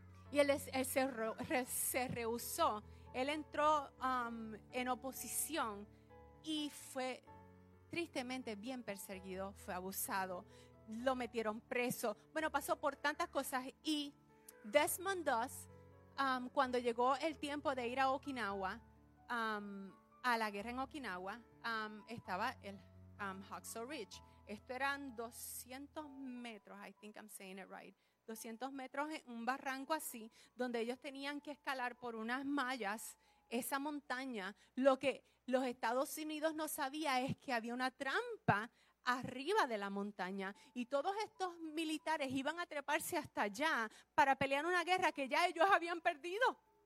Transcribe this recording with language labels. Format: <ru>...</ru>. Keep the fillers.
<es>Y él, él se, re, se rehusó él entró um, en oposición y fue tristemente bien perseguido, fue abusado, lo metieron preso, bueno, pasó por tantas cosas y Desmond Doss, um, cuando llegó el tiempo de ir a Okinawa, um, a la guerra en Okinawa, estaba el Hawksaw Ridge. Esto eran 200 metros,</es> <en>I think I'm saying it right.</en> <es>200 metros en un barranco así, donde ellos tenían que escalar por unas mallas esa montaña, lo que los Estados Unidos no sabía es que había una trampa arriba de la montaña y todos estos militares iban a treparse hasta allá para pelear una guerra que ya ellos habían perdido.</es>